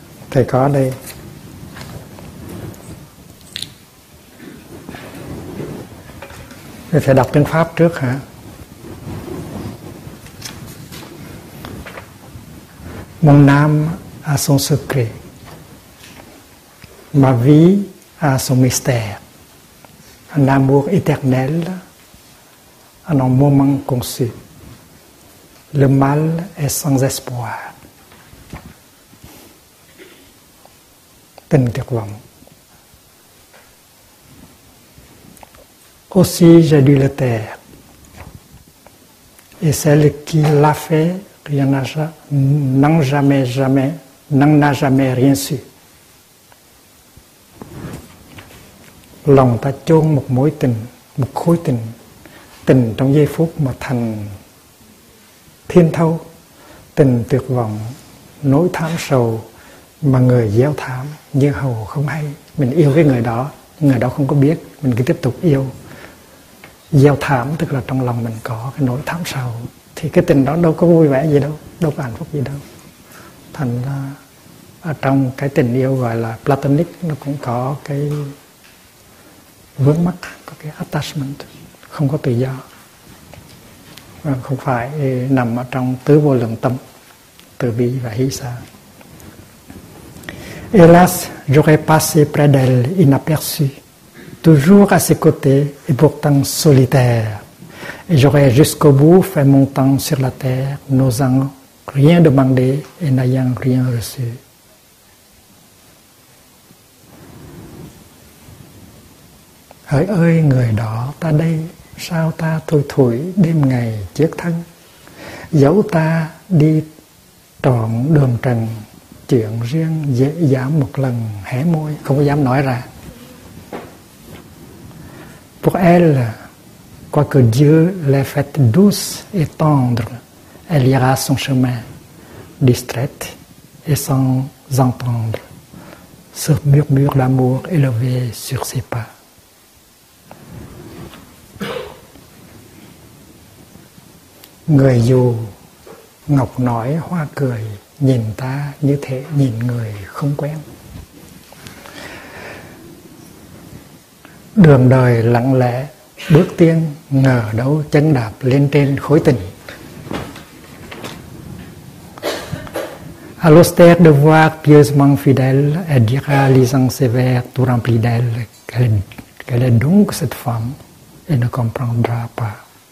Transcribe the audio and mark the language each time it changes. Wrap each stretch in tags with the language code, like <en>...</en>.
<vi>Thầy có đây. Thầy phải đọc tiếng Pháp trước hả?</vi> <fr>Mon âme a son secret, ma vie a son mystère, un amour éternel, en un moment conçu. Le mal est sans espoir.</fr> <vi>Tình tuyệt vọng.</vi> <fr>Aussi j'ai dû le taire, et celle qui l'a fait rien n'en a jamais rien su.</fr> <vi>Lòng ta chôn một mối tình, một khối tình, tình trong giây phút mà thành thiên thâu, tình tuyệt vọng, nỗi thám sầu mà người gieo thám như hầu không hay. Mình yêu cái người đó không có biết, mình cứ tiếp tục yêu. Gieo thám tức là trong lòng mình có cái nỗi thám sầu, thì cái tình đó đâu có vui vẻ gì đâu, đâu có hạnh phúc gì đâu. Thành ra ở trong cái tình yêu gọi là platonic nó cũng có cái vướng mắc, có cái attachment, không có tự do. Và không phải nằm ở trong tứ vô lượng tâm, từ bi và hỷ xả.</vi> <fr>Hélas, j'aurais passé près d'elle inaperçu, toujours à ses côtés et pourtant solitaire. Et j'aurais jusqu'au bout fait mon temps sur la terre, n'osant rien demander et n'ayant rien reçu.</fr> <vi>Hỡi ơi người đó ta đây, sao ta thôi thủi đêm ngày chiếc thân, dẫu ta đi trọn đường trần, chuyện riêng dễ dám một lần hé môi, không có dám nói ra.</vi> <fr>Pour elle, quoique Dieu l'ait faite douce et tendre, elle ira son chemin, distraite et sans entendre ce murmure d'amour élevé sur ses pas.</fr> <vi>Người dù ngọc nói hoa cười, nhìn ta như thế nhìn người không quen. Đường đời lặng lẽ bước tiên, ngờ đâu chân đạp lên trên khối tình.</vi> <fr>Alostère de voir pieusement fidèle, et dira lisant ses vers tout rempli d'elle, quelle est donc cette femme, et ne comprendra pas.</fr>